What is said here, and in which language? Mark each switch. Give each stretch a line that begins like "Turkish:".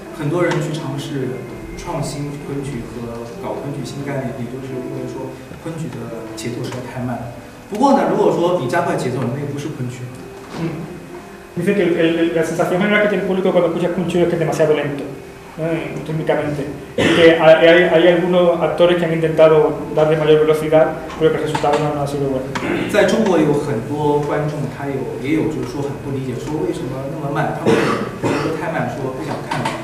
Chinese: 很多人去尝试创新昆曲和搞昆曲新概念，也就是认为说昆曲的节奏实在太慢。不过呢，如果说你加快节奏，那也不是昆曲。嗯。
Spanish: Dice que la sensación general que tiene el público cuando escucha Kunchu es que es demasiado lento, rítmicamente. Que hay algunos actores que han intentado darle mayor velocidad, pero que el resultado no ha sido bueno.
Chinese: 在中国有很多观众，他也有就是说很不理解，说为什么那么慢，他们觉得太慢，说不想看。